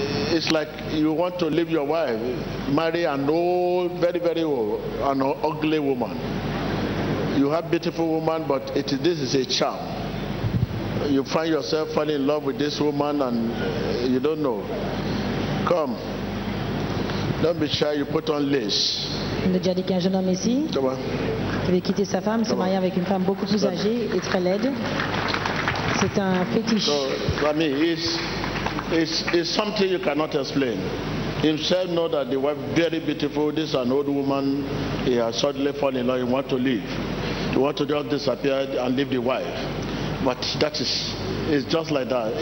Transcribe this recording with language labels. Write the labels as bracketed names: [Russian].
[English] It's like you want to leave your wife, marry an old, very, very old, an ugly woman. You have beautiful woman, but this is a charm. You find yourself falling in love with this woman and you don't know. Come. Don't be shy, you put on lace. Come on. [French] Il avait quitté sa femme, s'est marié avec une femme beaucoup plus âgée et très laide. C'est un fétiche. [English] So, I mean, it's something you cannot explain. Himself know that the wife very beautiful. This is an old woman. He has suddenly fallen in love. He want to leave. He want to just disappear and leave the wife. But that is, it's just like that.